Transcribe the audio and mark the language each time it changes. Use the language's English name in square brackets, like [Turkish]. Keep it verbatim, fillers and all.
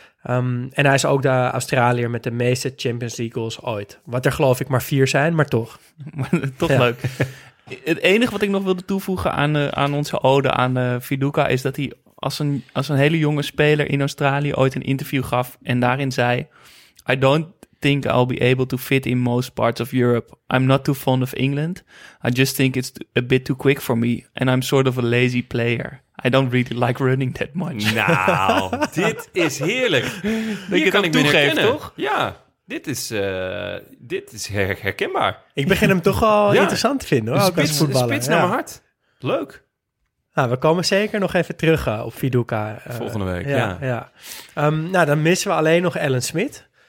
[Dutch] Um, en hij is ook de Australiër met de meeste Champions League goals ooit. Wat er geloof ik maar vier zijn, maar toch. Toch ja. Leuk. Het enige wat ik nog wilde toevoegen aan, uh, aan onze ode aan uh, Viduka... is dat hij als een, als een hele jonge speler in Australië ooit een interview gaf... en daarin zei... [English] I don't think I'll be able to fit in most parts of Europe. I'm not too fond of England. I just think it's a bit too quick for me. And I'm sort of a lazy player. I don't really like running that much. [Dutch] Nou, dit is heerlijk. Dat je kan ik toegeven, toch? Ja, dit is, uh, dit is her- herkenbaar. Ik begin hem toch al ja. interessant te vinden. Hoor. Een spits, een spits ja. naar mijn hart. Leuk. Nou, we komen zeker nog even terug uh, op Viduka. Uh, Volgende week, ja. ja. ja. Um, nou, dan missen we alleen nog Alan Smith.